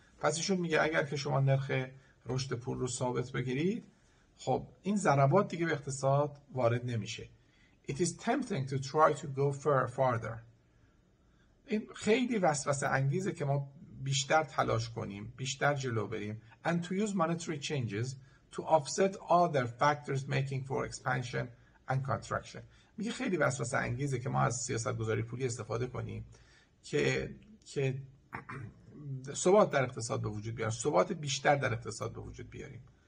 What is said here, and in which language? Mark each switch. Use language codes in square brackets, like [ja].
[fa] پس ایشون میگه اگر که شما نرخ رشد پول رو ثابت بگیرید، خب این ضربات دیگه به اقتصاد وارد نمیشه. [en] It is tempting to try to go further. [fa] این خیلی وسوسه انگیزه که ما بیشتر تلاش کنیم، بیشتر جلو بریم. [en] And to use monetary changes to offset other factors making for expansion and contraction. [fa] میگه خیلی وسوسه انگیزه که ما از سیاست گذاری پولی استفاده کنیم که ثبات در اقتصاد به وجود بیاریم، ثبات بیشتر در اقتصاد به وجود بیاریم.